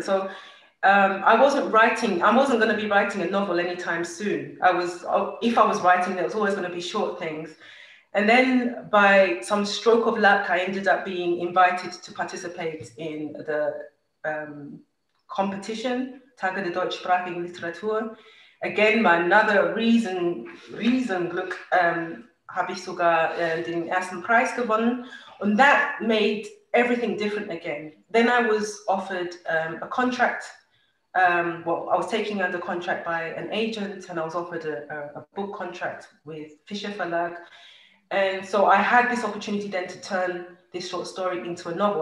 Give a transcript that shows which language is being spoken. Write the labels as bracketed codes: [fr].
[en] So I wasn't going to be writing a novel anytime soon. If I was writing, it was always going to be short things. And then by some stroke of luck, I ended up being invited to participate in the competition, Tage der deutschsprachigen Literatur. Again, my another reason, look, [de] habe ich sogar den ersten Preis gewonnen. [en] And that made everything different again. Then I was offered a contract I was taking under contract by an agent, and I was offered a book contract with Fisher Verlag. And so I had this opportunity then to turn this short story into a novel.